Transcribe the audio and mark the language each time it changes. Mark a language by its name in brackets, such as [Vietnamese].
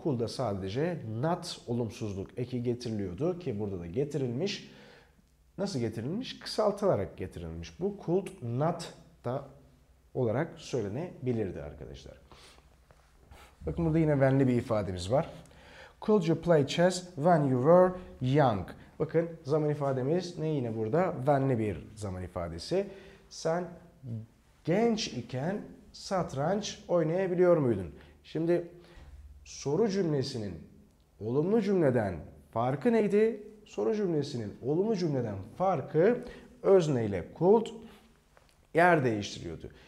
[Turkish] Cool'da sadece not olumsuzluk eki getiriliyordu ki burada da getirilmiş. Nasıl getirilmiş? Kısaltılarak getirilmiş. Bu could not da olarak söylenebilirdi arkadaşlar. Bakın burada yine when'li bir ifademiz var. [English] Could you play chess when you were young? [Turkish] Bakın zaman ifademiz ne yine burada? When'li bir zaman ifadesi. Sen genç iken satranç oynayabiliyor muydun? Şimdi soru cümlesinin olumlu cümleden farkı neydi? Soru cümlesinin olumlu cümleden farkı özne ile could yer değiştiriyordu.